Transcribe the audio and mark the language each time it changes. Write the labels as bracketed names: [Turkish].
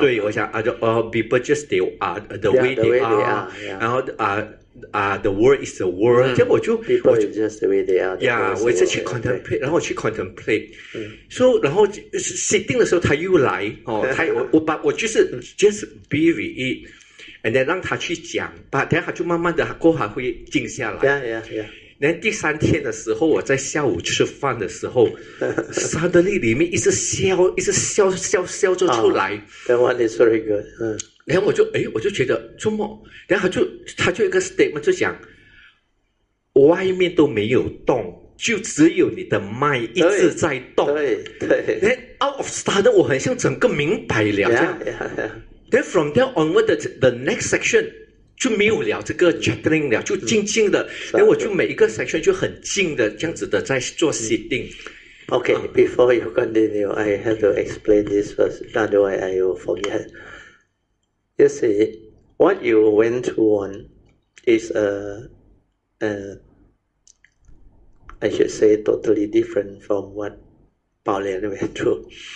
[Chinese] 对，我想 [English] people just they are the way they are， [Chinese] 然后 [English] the world is the world， [Chinese] 这样 [English] people is just the way they are， [Chinese] 我一直去 contemplate，然后去 contemplate，然后 sitting 的时候他又来他我就是 [English] just be with it。 And then [Chinese] 让他去讲，等下他就慢慢的，他过后会静下来。然后第三天的时候，我在下午吃饭的时候，suddenly 里面一直笑，一直笑笑笑着出来。 [English] That one is very good。 [Chinese] 然后我就觉得这么，然后他就一个 statement 就讲，外面都没有动，就只有你的 mind 一直在动。对。然后 [English] out of sudden [Chinese] 我很像整个明白了这样。 [English] Then from there onward, the next section [Chinese] 就没有聊这个 [English] chattering [Chinese] 了，就静静的。然后我就每一个 section 就很静的这样子的在做 sitting。 [English] Okay, before you continue, I have to explain this first, otherwise I will forget. You see, what you went to on is a, I should say, totally different from what Paulian went to.